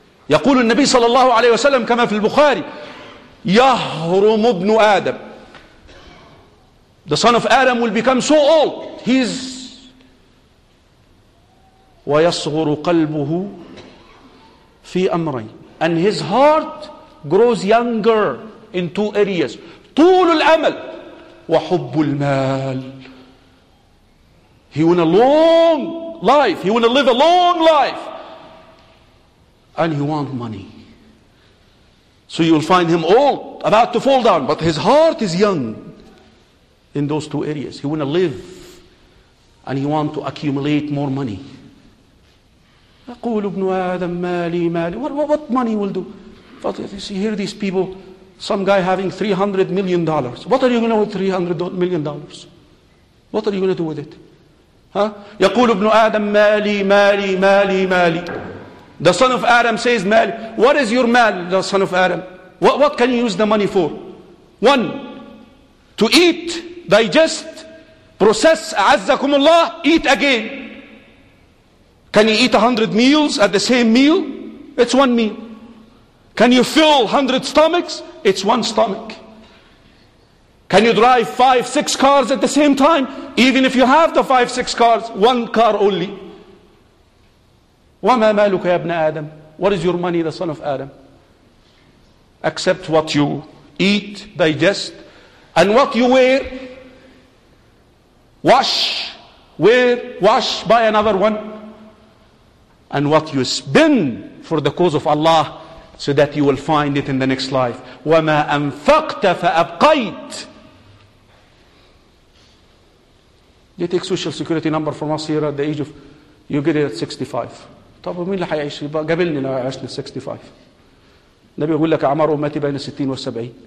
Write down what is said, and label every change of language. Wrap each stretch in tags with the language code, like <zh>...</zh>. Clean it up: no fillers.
<ar>يقول النبي صلى الله عليه وسلم كما في البخاري, يهرم ابن آدم.</ar> <en>The son of Adam will become so old. He's</en> <ar>ويصغر قلبه في أمري.</ar> <en>And his heart grows younger in two areas.</en> <ar>طول الأمل وحب المال.</ar> <en>He want a long life. He want to live a long life. And he want money. So you'll find him old, about to fall down, but his heart is young. In those two areas. He want to live. And he want to accumulate more money.</en> <ar>يقول ابن آدم مالي مالي.</ar> <en>What money will do? But if you see, hear these people. Some guy having $300 million. What are you going to do with $300 million? What are you going to do with it? Huh?</en> <ar>يقول ابن آدم مالي مالي مالي مالي.</ar> <en>The son of Adam says مالي. What is your mal, the son of Adam? What can you use the money for? One. To eat. Digest, process, azzakumullah, eat again. Can you eat 100 meals at the same meal? It's one meal. Can you fill 100 stomachs? It's one stomach. Can you drive 5-6 cars at the same time? Even if you have the 5-6 cars, one car only.</en> <ar>وَمَا مَالُكَ يَا ابْنَ آدَمْ.</ar> <en>What is your money, the son of Adam? Except what you eat, digest, and what you wear. Wash, wear, wash, buy another one. And what you spend for the cause of Allah, so that you will find it in the next life.</en> <ar>وَمَا أَنْفَقْتَ فَأَبْقَيْتَ.</ar> <en>They take social security number from us here at the age of, you get it at 65.</en> <ar>طب مين اللي حيعيش قبلني لو عشنا 65. النبي يقول لك عمر أمتي بين 60 و70.</ar>